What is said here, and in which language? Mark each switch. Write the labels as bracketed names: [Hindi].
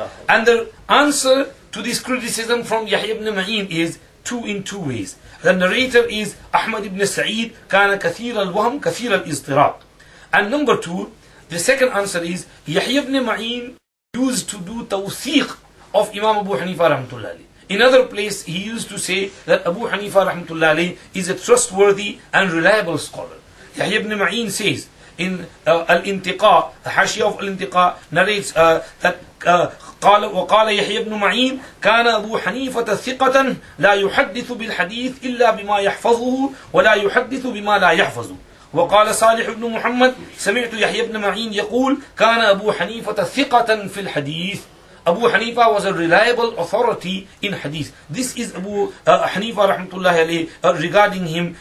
[English] And the answer to this criticism from يحيى بن معين is two in two ways. [Arabic] The narrator is أحمد بن سعيد كان كثير الوهم كثير الاضطراب. [English] And number two, the second answer is Yahya ibn Ma'in used to do tawthiq of Imam Abu Hanifa rahmatullah alayh. In other place, he used to say that Abu Hanifa rahmatullah alayh is a trustworthy and reliable scholar. [Arabic] Yahya ibn Ma'in says in Al-Intiqa, the Hashi of Al-Intiqa narrates that وقال يحيى بن معين كان أبو حنيفة ثقة لا يحدث بالحديث إلا بما يحفظه ولا يحدث بما لا يحفظه. وقال صالح بن محمد سمعت يحيى بن معين يقول كان أبو حنيفة ثقة في الحديث. [English] Abu Hanifa was a reliable authority in hadith. This is Abu Hanifa rahmatullah alayhi regarding him.